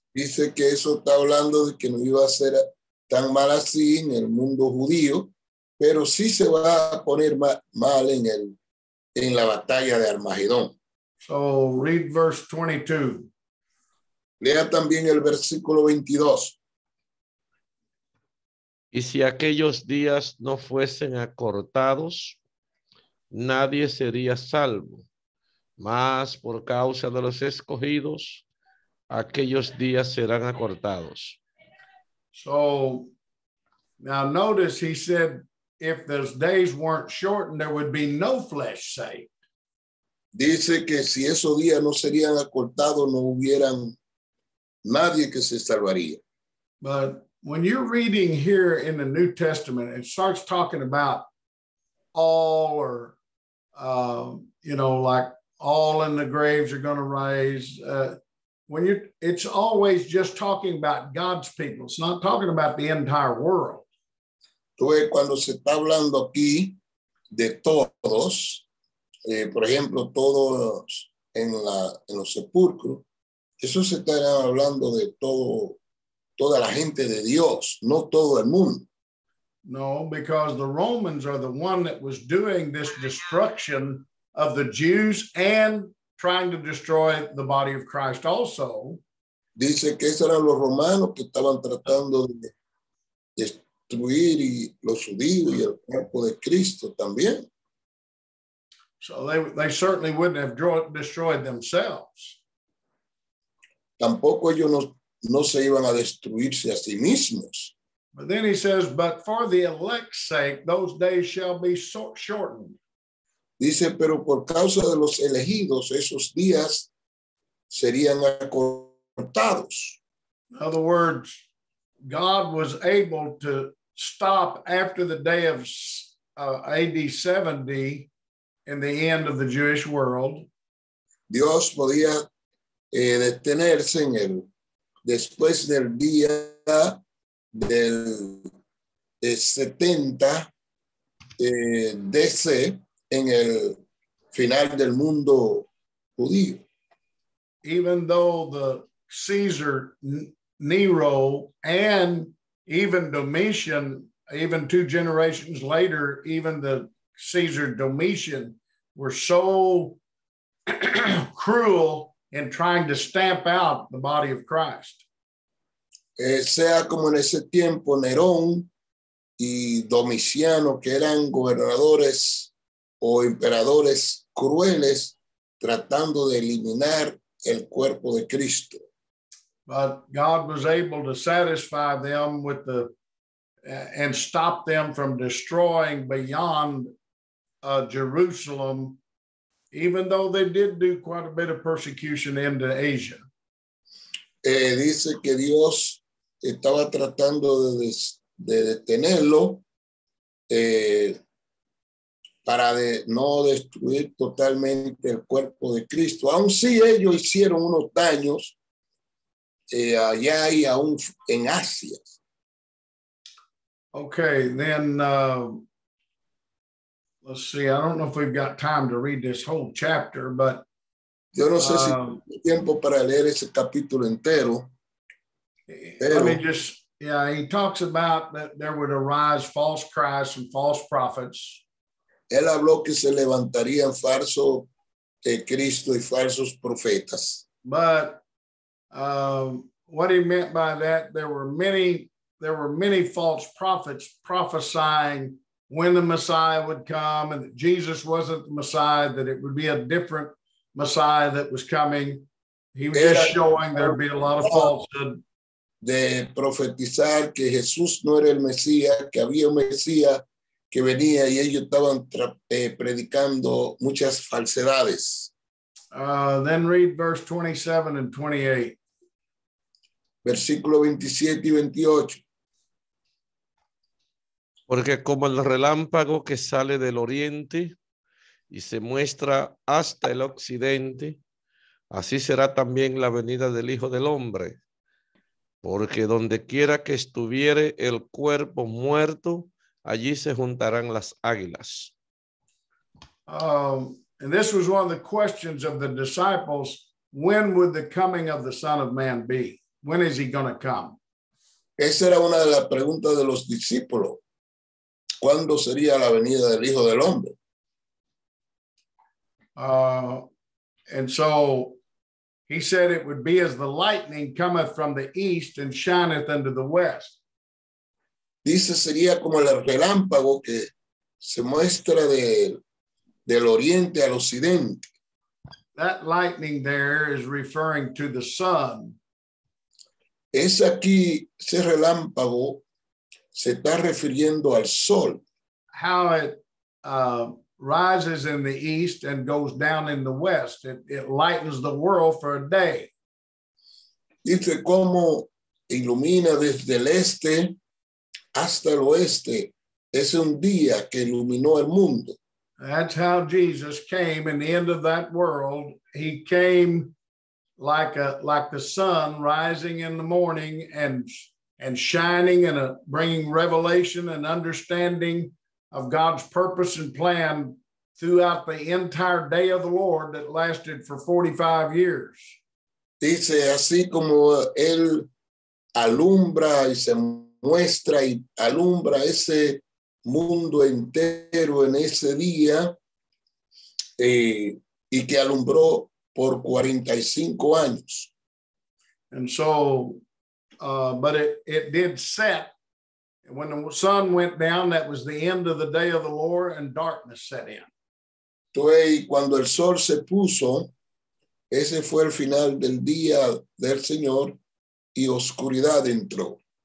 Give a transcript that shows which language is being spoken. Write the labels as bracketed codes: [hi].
[es] Dice que eso está hablando de que no iba a ser tan mal así en el mundo judío, pero sí se va a poner mal en la batalla de Armagedón. [en] So read verse 22. [es] Lea también el versículo 22. Y si aquellos días no fuesen acortados, nadie sería salvo. Mas por causa de los escogidos, aquellos días serán acortados. [en] So, now notice he said, if those days weren't shortened, there would be no flesh saved. [es] Dice que si esos días no serían acortados, no hubieran nadie que se salvaría. [en] But when you're reading here in the New Testament, it starts talking about all or, you know, like all in the graves are going to rise. It's always just talking about God's people. It's not talking about the entire world. [es] Entonces, cuando se está hablando aquí de todos, por ejemplo, todos en los sepulcros, eso se está hablando de todo. Toda la gente de Dios, no todo el mundo. [en] No, because the Romans are the one that was doing this destruction of the Jews and trying to destroy the body of Christ also. [es] Dice que esos eran los romanos que estaban tratando de destruir y los judíos y el cuerpo de Cristo también. [en] So they certainly wouldn't have destroyed themselves. [es] Tampoco ellos no se iban a destruirse a sí mismos. [en] But then he says, but for the elect's sake, those days shall be shortened. [es] Dice, pero por causa de los elegidos, esos días serían acortados. [en] In other words, God was able to stop after the day of AD 70 in the end of the Jewish world. [es] Dios podía detenerse en el después del día del 70 DC en el final del mundo judío. [en] Even though the Caesar Nero and even Domitian, even two generations later, even the Caesar Domitian were so cruel in trying to stamp out the body of Christ. [es] Sea como en ese tiempo Nerón y Domiciano, que eran gobernadores o emperadores crueles tratando de eliminar el cuerpo de Cristo. [en] But God was able to satisfy them with the and stop them from destroying beyond Jerusalem, even though they did do quite a bit of persecution into Asia. [es] Dice que Dios estaba tratando de detenerlo para no destruir totalmente el cuerpo de Cristo. Aun si ellos hicieron unos daños allá y aún en Asia. [en] Okay, then let's see. I don't know if we've got time to read this whole chapter, but [es] yo no sé si tengo tiempo para leer ese capítulo entero. [en] He talks about that there would arise false Christs and false prophets. [es] Él habló que se levantarían falso Cristo y falsos profetas. [en] But what he meant by that, there were many false prophets prophesying when the Messiah would come and that Jesus wasn't the Messiah, that it would be a different Messiah that was coming. He was just showing there would be a lot of falsehood. [es] De profetizar que Jesús no era el Mesías, que había un Mesías que venía y ellos estaban predicando muchas falsedades. [en] Then read verse 27 and 28. [es] Versículo 27 y 28. Porque como el relámpago que sale del oriente y se muestra hasta el occidente, así será también la venida del Hijo del Hombre. Porque donde quiera que estuviere el cuerpo muerto, allí se juntarán las águilas. [en] And this was one of the questions of the disciples. When would the coming of the Son of Man be? When is he going to come? [es] Esa era una de las preguntas de los discípulos. ¿Cuándo sería la venida del Hijo del Hombre? [en] And so he said it would be as the lightning cometh from the east and shineth unto the west. [es] Dice sería como el relámpago que se muestra del oriente al occidente. [en] That lightning there is referring to the sun. [es] Es aquí, ese relámpago se está refiriendo al sol. [en] How it rises in the east and goes down in the west. It lightens the world for a day. [es] Dice cómo ilumina desde el este hasta el oeste. Es un día que iluminó el mundo. [en] That's how Jesus came in the end of that world. He came like the sun rising in the morning and shining and bringing revelation and understanding of God's purpose and plan throughout the entire day of the Lord that lasted for 45 years. [es] Dice así como él alumbra y se muestra y alumbra ese mundo entero en ese día y que alumbró por 45 años. [en] And so, but it did set. When the sun went down, that was the end of the day of the Lord, and darkness set in. [es] Entonces, cuando el sol se puso, ese fue el final del día del Señor y oscuridad entró.